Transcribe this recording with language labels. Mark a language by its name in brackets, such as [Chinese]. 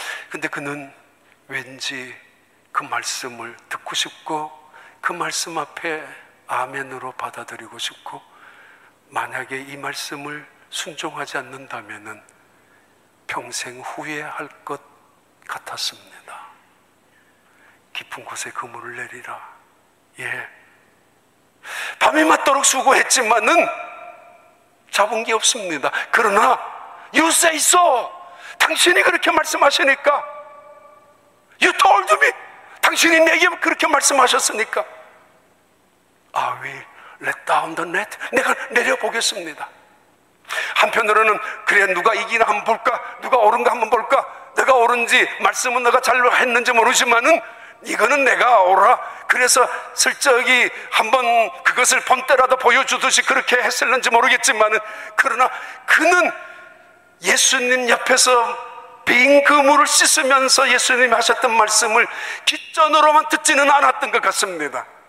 [Korean] 근데 그는 왠지 그 말씀을 듣고 싶고 그 말씀 앞에 아멘으로 받아들이고 싶고, 만약에 이 말씀을 순종하지 않는다면 평생 후회할 것 같았습니다. 깊은 곳에 그물을 내리라. 예, 밤이 맞도록 수고했지만은 잡은 게 없습니다. 그러나 [English] You say so! [Korean] 당신이 그렇게 말씀하시니까, [English] You told me! [Korean] 당신이 내게 그렇게 말씀하셨으니까, [English] I will let down the net. [Korean] 내가 내려보겠습니다. 한편으로는 그래 누가 이기나 한번 볼까? 누가 옳은가 한번 볼까? 내가 옳은지, 말씀은 내가 잘 했는지 모르지만은 이거는 내가 옳아. 그래서 슬쩍이 한번 그것을 본 때라도 보여주듯이 그렇게 했을는지 모르겠지만은, 그러나 그는 예수님 옆에서 빈 그물을 씻으면서 예수님이 하셨던 말씀을 귓전으로만 듣지는 않았던 것 같습니다.